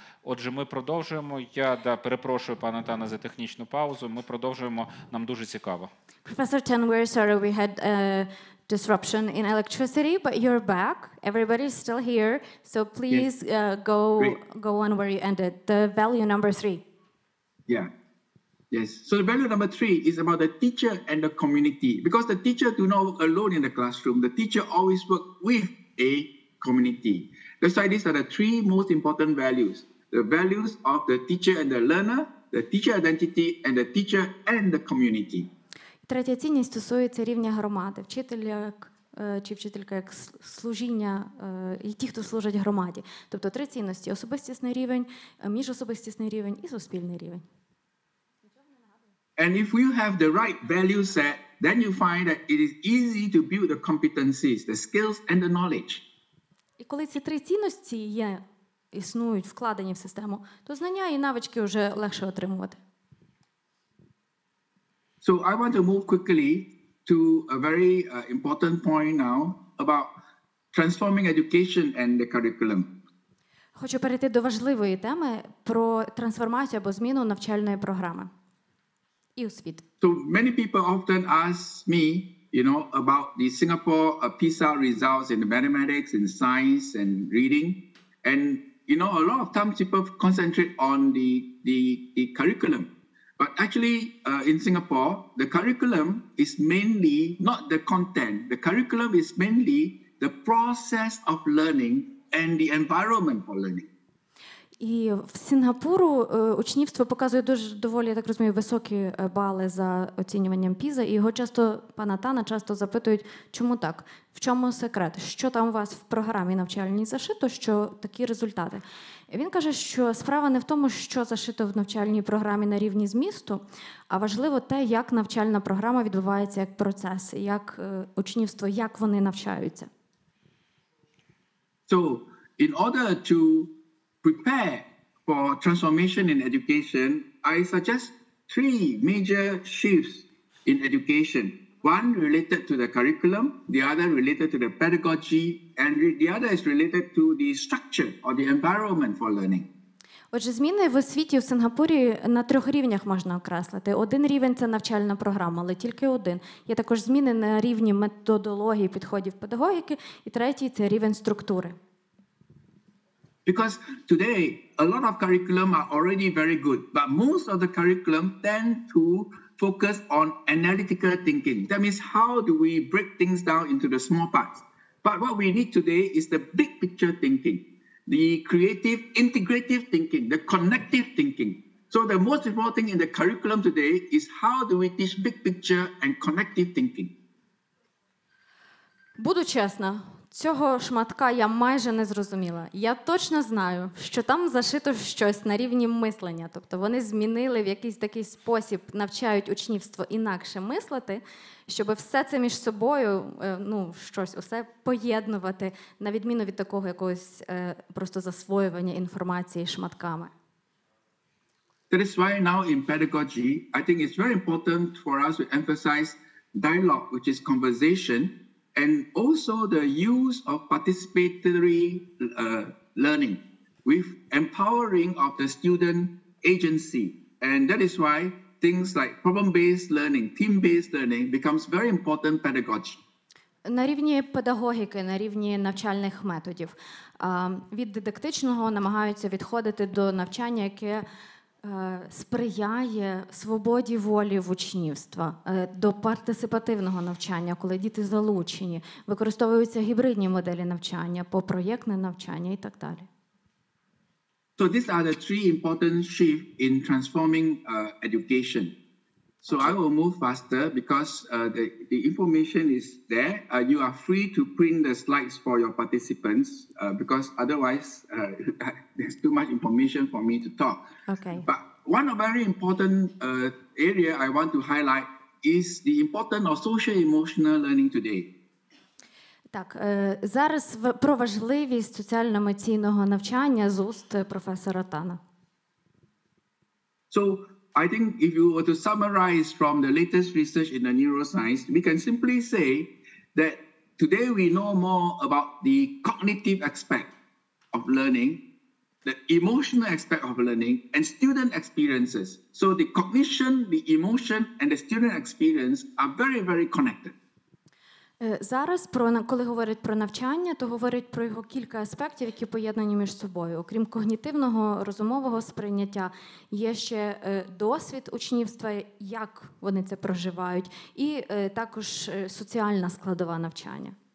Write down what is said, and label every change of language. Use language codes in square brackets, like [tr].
[uk] Отже, ми продовжуємо. Я перепрошую, пане Тане, за технічну паузу. Ми продовжуємо. Нам дуже цікаво. [en] Professor Tan, we're sorry we had a disruption in electricity, but you're back. Everybody's still here. So please go on where you ended. The value number three. Yeah. Yes. So the value number three is about the teacher and the community, because the teacher do not work alone in the classroom. The teacher always work with a community. That's why these are the three most important values: the values of the teacher and the learner, the teacher identity, and the teacher and the community. [uk] Третя цінність стосується рівня громади, вчитель як чи вчителька як служіння і ті, хто служить громаді. Тобто три цінності: особистісний рівень, міжособистісний рівень і суспільний рівень. [en] And if you have the right value set, then you find that it is easy to build the competencies, the skills and the knowledge. [uk] І коли ці три цінності є, існують, вкладені в систему, то знання і навички вже легше отримувати. [en] So I want to move quickly to a very important point now about transforming education and the curriculum. [uk] Хочу перейти до важливої теми про трансформацію або зміну навчальної програми. [en] So many people often ask me, you know, about the Singapore PISA results in the mathematics, in science, and reading. And, you know, a lot of times people concentrate on the curriculum. But actually, in Singapore, the curriculum is mainly not the content. The curriculum is mainly the process of learning and the environment for learning. [uk] І в Сінгапуру учнівство показує дуже доволі, я так розумію, високі бали за оцінюванням PISA. І його часто, пана Тана, часто запитують, чому так? В чому секрет? Що там у вас в програмі навчальній зашито, що такі результати? Він каже, що справа не в тому, що зашито в навчальній програмі на рівні змісту, а важливо те, як навчальна програма відбувається, як процес, як учнівство, як вони навчаються. [en] So, in order to prepare for transformation in education, I suggest three major shifts in education. One related to the curriculum, the other related to the pedagogy, and the other is related to the structure or the environment for learning. [uk] Отже, зміни в освіті в Сингапурі на трьох рівнях можна окреслити. Один рівень – це навчальна програма, але тільки один. Є також зміни на рівні методології, підходів педагогіки. І третій – це рівень структури. [en] Because today, a lot of curriculum are already very good, but most of the curriculum tend to focus on analytical thinking. That means how do we break things down into the small parts? But what we need today is the big picture thinking, the creative, integrative thinking, the connective thinking. So the most important thing in the curriculum today is how do we teach big picture and connective thinking? [uk] Буду чесна. Цього шматка я майже не зрозуміла. Я точно знаю, що там зашито щось на рівні мислення. Тобто вони змінили в якийсь такий спосіб, навчають учнівство інакше мислити, щоб все це між собою, ну, щось, усе поєднувати, на відміну від такого якогось просто засвоювання інформації шматками. [en] That is why now in pedagogy, I think it's very important for us to emphasize dialogue, which is conversation, and also the use of participatory learning with empowering of the student agency. And that is why things like problem-based learning, team-based learning becomes very important pedagogy. [uk] На рівні педагогіки, на рівні навчальних методів, від дидактичного намагаються відходити до навчання, яке сприяє свободі волі в учнівства, до партисипативного навчання, коли діти залучені, використовуються гібридні моделі навчання, попроєктне навчання і так далі. [en] So these are the three important shifts in transforming education. So I will move faster because the information is there. You are free to print the slides for your participants because otherwise there's too much information for me to talk. Okay. But one very important area I want to highlight is the importance of social-emotional learning today. [uk] Так, зараз про важливість соціально-емоційного навчання з уст професора Тана. [en] So I think if you were to summarize from the latest research in the neuroscience, we can simply say that today we know more about the cognitive aspect of learning, the emotional aspect of learning, and student experiences. So the cognition, the emotion, and the student experience are very, very connected. [uk] Зараз, коли говорять про навчання, то говорять про його кілька аспектів, які поєднані між собою. Окрім когнітивного, розумового сприйняття, є ще досвід учнівства, як вони це проживають, і також соціальна складова навчання.